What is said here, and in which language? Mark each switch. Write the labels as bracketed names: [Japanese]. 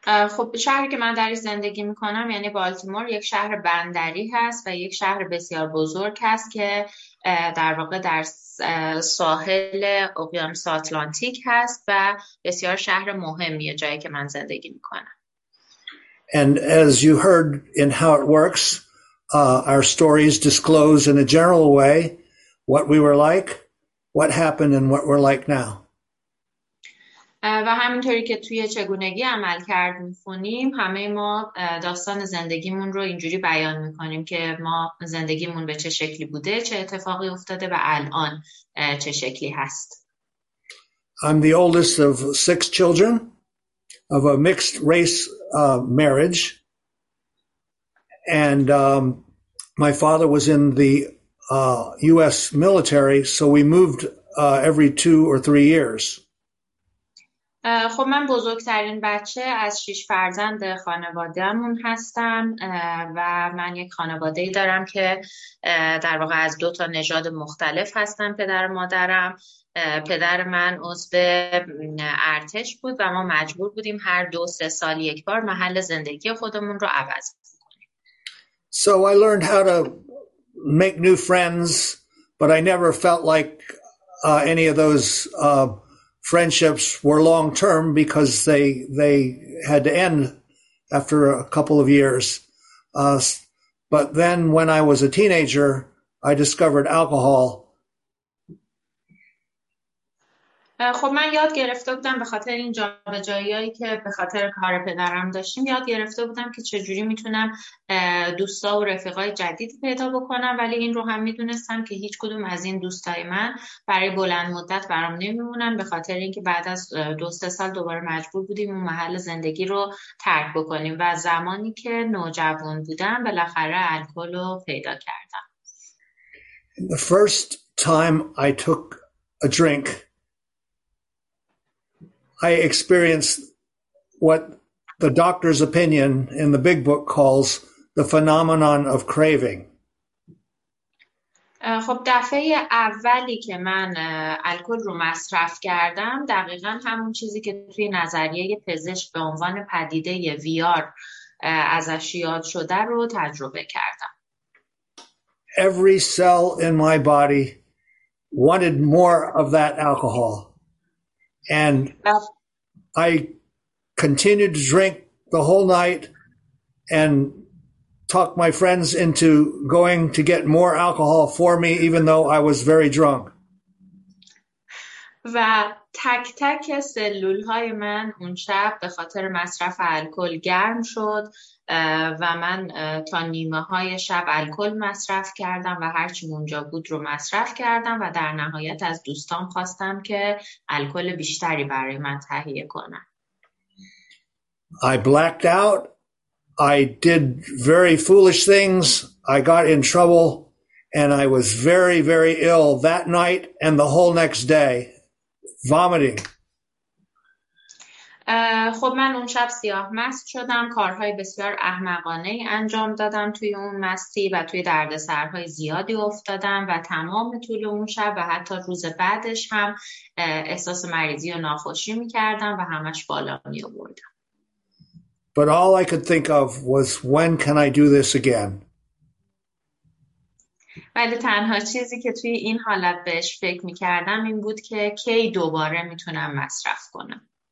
[Persian] خب شهری که من درش زندگی میکنم یعنی بالتیمور یک شهر بندری هست و یک شهر بسیار بزرگ هست که در واقع در ساحل اقیانوس آتلانتیک هست و بسیار شهر مهمیه جایی که من زندگی میکنم. [English] And as you heard in how it works, our stories disclose in a general way what we were like, what happened, and what we're like now. [Persian] و همینطوری که توی چگونگی عمل کرد میخونیم همه ما داستان زندگیمون رو اینجوری بیان میکنیم که ما زندگیمون به چه شکلی بوده، چه اتفاقی افتاده و الان چه شکلی هست. [English] I'm the oldest of 6 children of a mixed race marriage. And my father was in the U.S. military, so we moved every 2 or 3 years. [Persian] خب من بزرگترین بچه از 6 فرزند خانواده‌مون هستم و من یک خانواده‌ای دارم که در واقع از 2 تا نژاد مختلف هستم، پدر و مادرم. پدر من عضو ارتش بود و ما مجبور بودیم هر 2-3 سال یک بار محل زندگی خودمون رو عوض کنیم. [English] So I learned how to make new friends, but I never felt like any of those friendships were long term because they had to end after a couple of years. But then when I was a teenager, I discovered alcohol. [Persian] خب من یاد گرفته بودم به خاطر این جابجایی‌هایی که به خاطر کار پدرم داشتیم، یاد گرفته بودم که چجوری میتونم دوستا و رفقای جدید پیدا بکنم، ولی این رو هم میدونستم که هیچ کدوم از این دوستای من برای بلند مدت برام نمیمونن به خاطر اینکه بعد از 2-3 سال دوباره مجبور بودیم اون محل زندگی رو ترک بکنیم و زمانی که نوجوان بودم بالاخره الکل رو پیدا کردم. [English] The first time I took a drink, I experienced what the doctor's opinion in the big book calls the phenomenon of craving. [Persian] خب دفعه اولی که من الکل رو مصرف کردم دقیقا همون چیزی که توی نظریه پزشک به عنوان پدیده VR ازش یاد شده رو تجربه کردم. [English] Every cell in my body wanted more of that alcohol. And I continued to drink the whole night and talked my friends into going to get more alcohol for me, even though I was very drunk. [Persian] و تک تک سلول های من اون شب به خاطر مصرف الکل گرم شد و من تا نیمه های شب الکل مصرف کردم و هرچی اونجا بود رو مصرف کردم و در نهایت از دوستان خواستم که الکل بیشتری برای من تهیه کنن. [English] I blacked out. I did very foolish things. I got in trouble And I was very, very ill that night and the whole next day, vomiting. [Persian] خب من اون شب سیاه مست شدم، کارهای بسیار احمقانه ای انجام دادم توی اون مستی و توی دردسرهای زیادی افتادم و تمام طول اون شب و حتی روز بعدش هم احساس مریضی و ناخوشی می کردم و همش بالا می آوردم. [English] But all I could think of was, when can I do this again? [Persian] ولی تنها چیزی که توی این حالت بهش فکر می کردم این بود که کی دوباره می تونم مصرف کنم.